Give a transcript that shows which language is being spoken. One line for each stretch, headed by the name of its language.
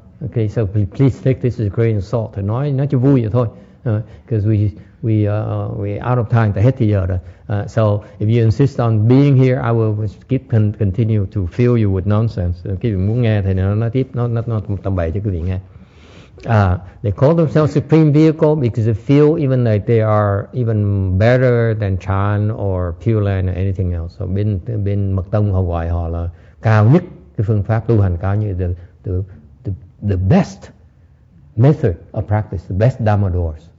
English: Okay, so please take this as a grain of salt.
Vietnamese: Thầy nói cho vui vậy thôi.
English: Because we out of time.
Vietnamese: Tại hết thì giờ rồi.
English: So if you insist on being here, I will keep continue to fill you with nonsense.
Vietnamese: Quý vị muốn nghe thì nói tiếp, nó tầm bậy cho quý vị nghe.
English: They call themselves supreme vehicle because they feel even like they are even better than Chan or Pure Land or anything else.
Vietnamese: So bên Mật Tông họ gọi họ là cao nhất, cái phương pháp tu hành cao nhất,
English: the best method of practice, the best Dhamma doors.